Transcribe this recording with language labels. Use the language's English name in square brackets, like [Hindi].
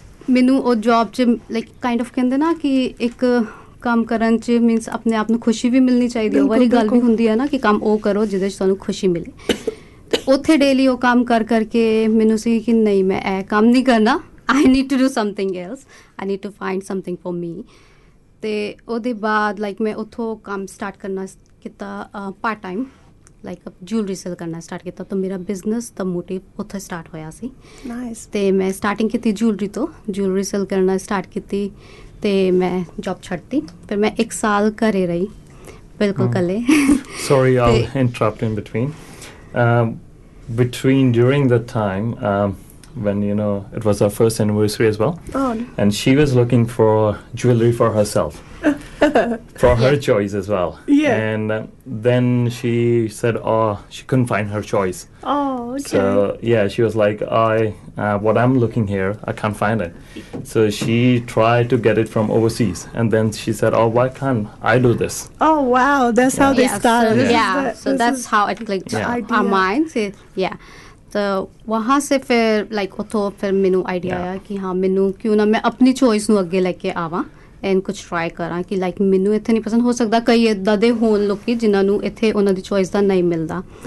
[Punjabi] ਮੈਨੂੰ ਉਹ ਜੋਬ 'ਚ ਲਾਈਕ ਕਾਇੰਡ ਆਫ ਕਹਿੰਦੇ ਨਾ ਕਿ ਇੱਕ ਕੰਮ ਕਰਨ 'ਚ ਮੀਨਸ ਆਪਣੇ ਆਪ ਨੂੰ ਖੁਸ਼ੀ ਵੀ ਮਿਲਣੀ ਚਾਹੀਦੀ ਉਹ ਵਾਲੀ ਗੱਲ ਵੀ ਹੁੰਦੀ ਹੈ ਨਾ ਕਿ ਕੰਮ ਉਹ ਕਰੋ ਜਿਹਦੇ 'ਚ ਤੁਹਾਨੂੰ ਖੁਸ਼ੀ ਮਿਲੇ ਅਤੇ ਉੱਥੇ ਡੇਲੀ ਉਹ ਕੰਮ ਕਰਕੇ ਮੈਨੂੰ ਸੀ ਕਿ ਨਹੀਂ ਮੈਂ ਇਹ ਕੰਮ ਨਹੀਂ ਕਰਨਾ [English] I need to do something else I need to find something for me [Punjabi] ਅਤੇ ਉਹਦੇ ਬਾਅਦ ਲਾਈਕ ਮੈਂ ਉੱਥੋਂ ਕੰਮ ਸਟਾਰਟ ਕਰਨਾ ਕੀਤਾ part time like jewellery sale ਕਰਨਾ ਸਟਾਰਟ ਕੀਤਾ ਤਾਂ ਮੇਰਾ ਬਿਜ਼ਨਸ ਦਾ ਮੋਟਿਵ ਉੱਥੇ ਸਟਾਰਟ ਹੋਇਆ ਸੀ ਅਤੇ ਮੈਂ ਸਟਾਰਟਿੰਗ ਕੀਤੀ ਜੂਲਰੀ ਤੋਂ ਜੂਲਰੀ ਸੇਲ ਕਰਨਾ ਸਟਾਰਟ ਕੀਤੀ ਅਤੇ ਮੈਂ ਜੋਬ ਛੱਡਤੀ ਫਿਰ ਮੈਂ ਇੱਕ ਸਾਲ ਘਰ ਰਹੀ ਬਿਲਕੁਲ ਇਕੱਲੇ [English] Sorry I will interrupt in between between during that time when you know it was our first anniversary as well and she was looking for jewelry for herself for her choice as well and then she said oh she couldn't find her choice oh okay so yeah she was like what I'm looking here I can't find it so she tried to get it from overseas and then she said oh why can't I do this oh wow that's yeah. how they yeah. started yeah, yeah. yeah. so that's how it clicked yeah. our minds it, yeah [Punjabi] ਤਾਂ ਵਹਾਂ ਸੇ ਫਿਰ like ਉੱਥੋਂ ਫਿਰ ਮੈਨੂੰ idea ਆਇਆ ਕਿ ਹਾਂ ਮੈਨੂੰ ਕਿਉਂ ਨਾ ਮੈਂ ਆਪਣੀ ਚੋਇਸ ਨੂੰ ਅੱਗੇ ਲੈ ਕੇ ਆਵਾਂ ਐਂਡ ਕੁਛ ਟਰਾਈ ਕਰਾਂ ਕਿ ਲਾਈਕ ਮੈਨੂੰ ਇੱਥੇ ਨਹੀਂ ਪਸੰਦ ਹੋ ਸਕਦਾ ਕਈ ਇੱਦਾਂ ਦੇ ਹੋਣ ਲੋਕ ਜਿਨ੍ਹਾਂ ਨੂੰ ਇੱਥੇ ਉਹਨਾਂ ਦੀ ਚੋਇਸ ਦਾ ਨਹੀਂ ਮਿਲਦਾ